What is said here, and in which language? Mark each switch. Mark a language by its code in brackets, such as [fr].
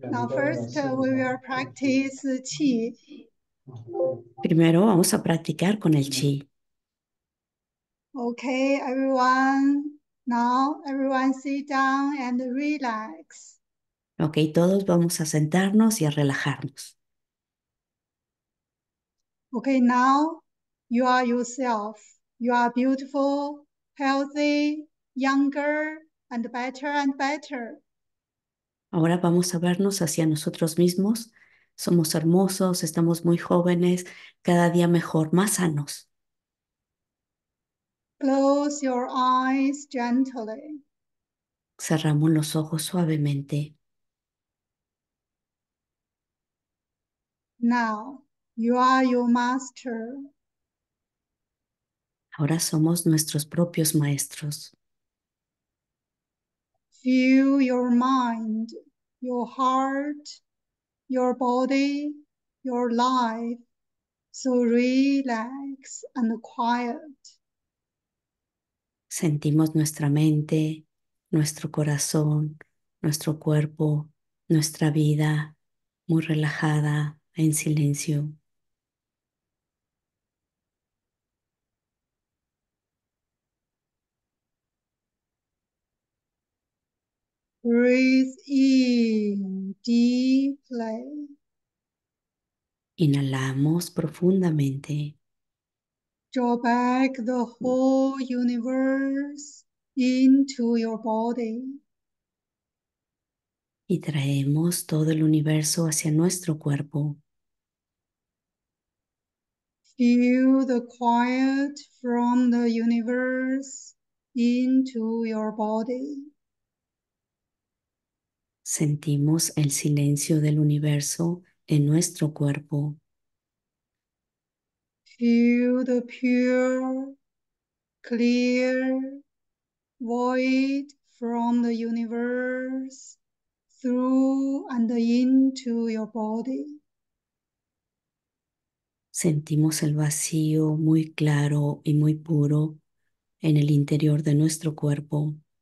[en] Now, first, we will practice qi. [es] Primero vamos a practicar con el chi. [en] Okay, everyone. Now, everyone, sit down and relax. [es] Ok, todos vamos a sentarnos y a relajarnos. [en] Okay, now you are yourself. You are beautiful, healthy, younger, and better and better. [es] Ahora vamos a vernos hacia nosotros mismos. Somos hermosos, estamos muy jóvenes, cada día mejor, más sanos. [en] Close your eyes gently. [es] Cerramos los ojos suavemente. [en] Now, you are your master. [es] Ahora somos nuestros propios maestros. [en] Feel your mind, your heart, your body, your life, so relax and quiet. [es] Sentimos nuestra mente, nuestro corazón, nuestro cuerpo, nuestra vida muy relajada, en silencio. [en] Breathe in deeply. [es] Inhalamos profundamente. [en] Draw back the whole universe into your body. [es] Y traemos todo el universo hacia nuestro cuerpo. [en] Feel the quiet from the universe into your body. [es] Sentimos el silencio del universo en nuestro cuerpo. [en] Feel the pure, clear void from the universe through and into your body. [es] Sentimos el vacío muy claro y muy puro en el interior de nuestro cuerpo.